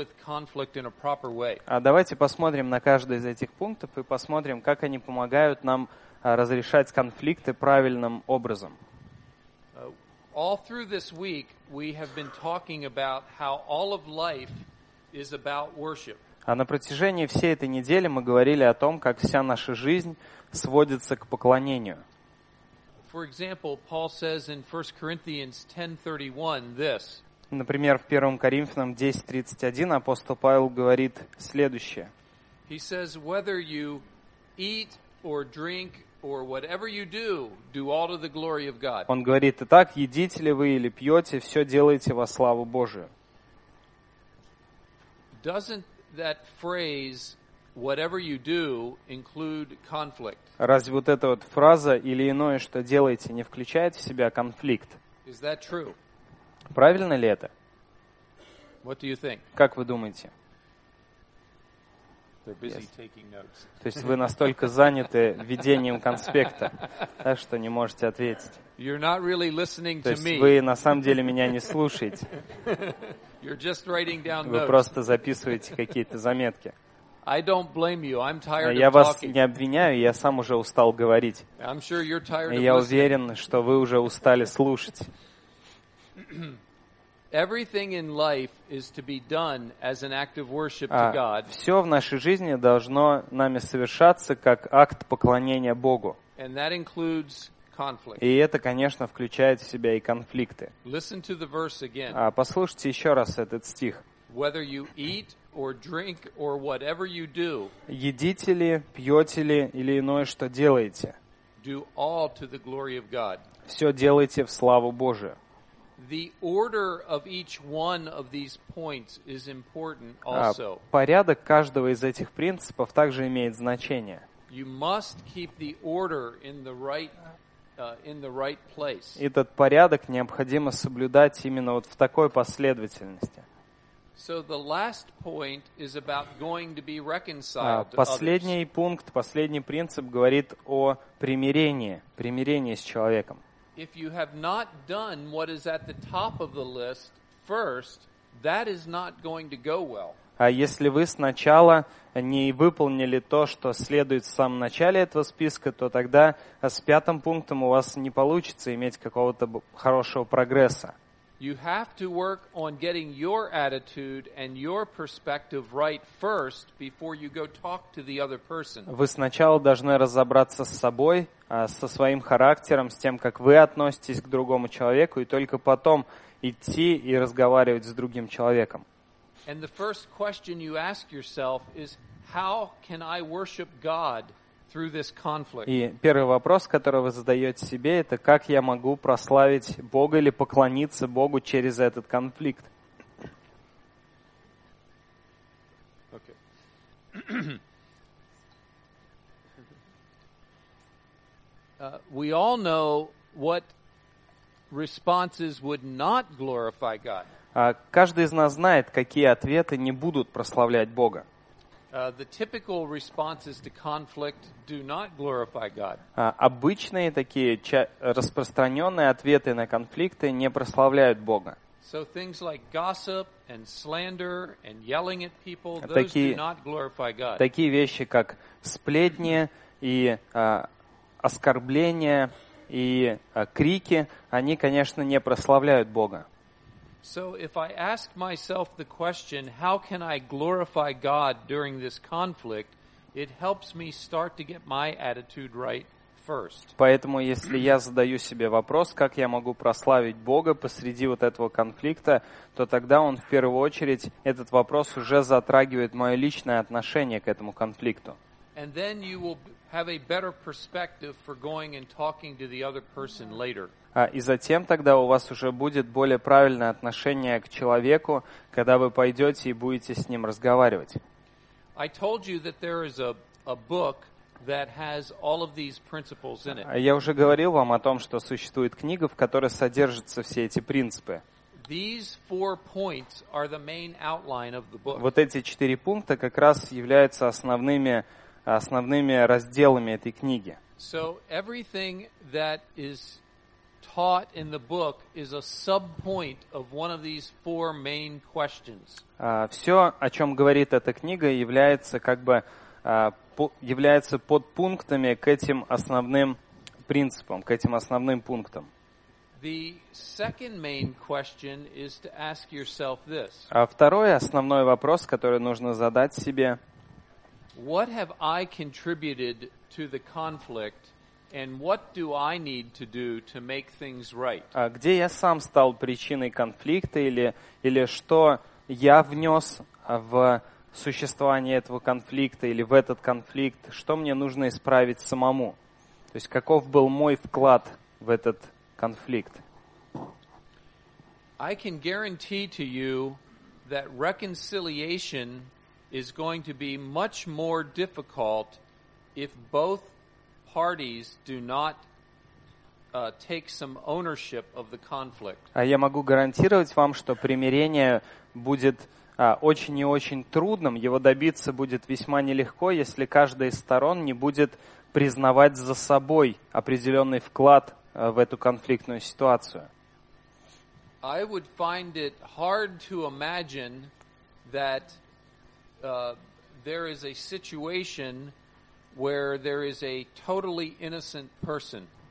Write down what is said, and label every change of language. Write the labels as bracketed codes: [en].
[ru] Давайте посмотрим на каждый из этих пунктов и посмотрим, как они помогают нам разрешать конфликты правильным образом. [en] All through this week, we have been talking about how all of life is about worship. [ru] А на протяжении всей этой недели мы говорили о том, как вся наша жизнь сводится к поклонению. [en] For example, Paul says in 1 Corinthians 10:31 this. [ru] Например, в 1 Коринфянам 10:31 апостол Павел говорит следующее. [en] He says, whether you eat or drink or whatever you do, do all to the glory of God. [ru] Он говорит: итак, едите ли вы или пьете, все делайте во славу Божию. [en] Doesn't that phrase whatever you do include conflict? [ru] Разве вот эта вот фраза или иное, что делаете, не включает в себя конфликт? [en] Is that true? [ru] Правильно ли это? [en] What do you think? [ru] Как вы думаете? [en] They're busy taking notes. [ru] То есть вы настолько заняты ведением конспекта, так что не можете ответить. [en] You're not really listening to me. [ru] Вы на самом деле меня не слушаете. [en] You're just writing down notes. [ru] Вы просто записываете какие-то заметки. [en] I don't blame you. I'm tired of talking. [ru] Я вас не обвиняю, я сам уже устал говорить. [en] I'm sure you're tired of listening. [ru] Я уверен, что вы уже устали слушать. [en] Everything in life is to be done as an act of worship to God. [ru] Все в нашей жизни должно нами совершаться как акт поклонения Богу. [en] And that includes conflict. [ru] И это, конечно, включает в себя и конфликты. [en] Listen to the verse again. [ru] Послушайте еще раз этот стих. [en] Whether you eat or drink or whatever you do. [ru] Едите ли, пьете ли или иное, что делаете. [en] Do all to the glory of God. [ru] Все делайте в славу Божию. [en] The order of each one of these points is important also. [ru] Порядок каждого из этих принципов также имеет значение. [en] You must keep the order in the right place. [ru] Этот порядок необходимо соблюдать именно вот в такой последовательности. [en] So the last point is about going to be reconciled. [ru] Последний пункт, последний принцип говорит о примирении с человеком. [en] If you have not done what is at the top of the list first, that is not going to go well. [ru] А если вы сначала не выполнили то, что следует в самом начале этого списка, то тогда с пятым пунктом у вас не получится иметь какого-то хорошего прогресса. [en] You have to work on getting your attitude and your perspective right first before you go talk to the other person. [ru] Вы сначала должны разобраться с собой, со своим характером, с тем, как вы относитесь к другому человеку, и только потом идти и разговаривать с другим человеком. [en] And the first question you ask yourself is, how can I worship God through this conflict? [ru] И первый вопрос, который вы задаете себе, это как я могу прославить Бога или поклониться Богу через этот конфликт? [en] Okay. We all know what responses would not glorify God. [ru] Каждый из нас знает, какие ответы не будут прославлять Бога. [en] The typical responses to conflict do not glorify God. [ru] Обычные такие распространенные ответы на конфликты не прославляют Бога. [en] So things like gossip and slander and yelling at people, those do not glorify God. [ru] Такие вещи, как сплетни и оскорбления и крики, они, конечно, не прославляют Бога. [en] So if I ask myself the question, how can I glorify God during this conflict, it helps me start to get my attitude right first. [ru] Поэтому, если я задаю себе вопрос, как я могу прославить Бога посреди вот этого конфликта, то тогда он в первую очередь, этот вопрос уже затрагивает мое личное отношение к этому конфликту. [en] And then you will have a better perspective for going and talking to the other person later. [ru] И затем тогда у вас уже будет более правильное отношение к человеку, когда вы пойдете и будете с ним разговаривать. Я уже говорил вам о том, что существует книга, в которой содержатся все эти принципы. Вот эти четыре пункта как раз являются основными разделами этой книги. [en] So everything that is taught in the book is a subpoint of one of these four main questions. [ru] Все, о чем говорит эта книга, является как бы является подпунктами к этим основным принципам, к этим основным пунктам. [en] The second main question is to ask yourself this. [ru] Второй основной вопрос, который нужно задать себе. [en] What have I contributed to the conflict? And what do I need to do to make things right? [ru] Где я сам стал причиной конфликта или что я внес в существование этого конфликта или в этот конфликт? Что мне нужно исправить самому? То есть каков был мой вклад в этот конфликт? [en] I can guarantee to you that reconciliation is going to be much more difficult if both parties do not take some ownership of the conflict. [ru] Я могу гарантировать вам, что примирение будет очень и очень трудным. Его добиться будет весьма нелегко, если каждая из сторон не будет признавать за собой определенный вклад в эту конфликтную ситуацию. [en] I would find it hard to imagine that there is a situation where there is a totally innocent person.